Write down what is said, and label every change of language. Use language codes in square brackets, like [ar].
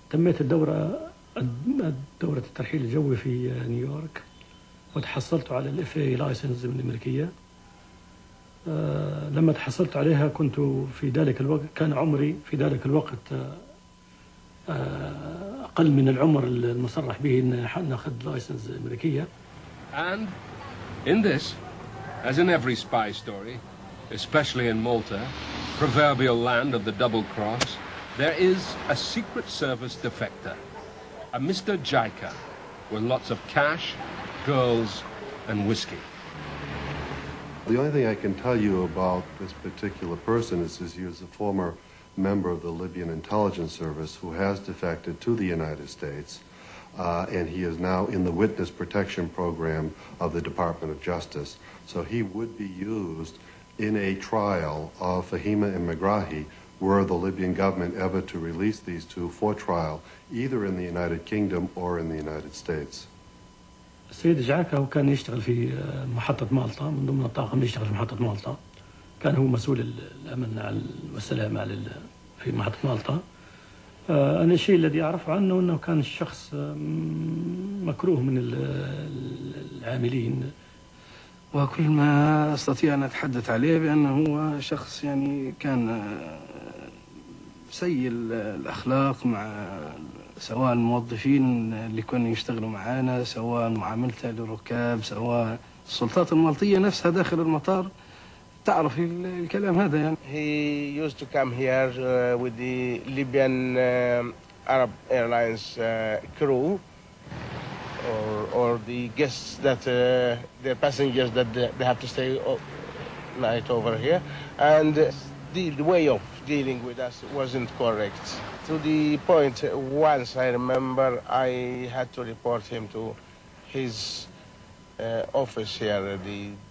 [ar] تميت دوره الترحيل الجوي في نيويورك وتحصلت على الاف اي لايسنس من الامريكيه لما تحصلت عليها كنت في ذلك الوقت كان عمري في ذلك الوقت أقل من العمر المصرح به إن نأخذ لايسنس أمريكية. [en] And in this, as in every spy story, especially in Malta, proverbial land of the double cross, there is a secret service defector, a Mr. Jaika, with lots of cash, girls, and whiskey. The only thing I can tell you about this particular person is he was a former member of the Libyan intelligence service who has defected to the United States and he is now in the witness protection program of the Department of Justice. So he would be used in a trial of Fahima and Megrahi were the Libyan government ever to release these two for trial either in the United Kingdom or in the United States. [ar] السيد جعكا كان يشتغل في محطة مالطا من ضمن الطاقم اللي يشتغل في محطة مالطا كان هو مسؤول الأمن والسلامة في محطة مالطا أنا الشيء الذي أعرفه عنه أنه كان الشخص مكروه من العاملين وكل ما أستطيع أن أتحدث عليه بأنه هو شخص يعني كان سيء الأخلاق مع سواء الموظفين اللي كانوا يشتغلوا معانا سواء معاملته للركاب سواء السلطات المالطية نفسها داخل المطار تعرف الكلام هذا يعني [en] He used to come here with the Libyan Arab Airlines crew or the guests that the passengers that they have to stay all night over here and the way of dealing with us wasn't correct to the point once I remember I had to report him to his office here the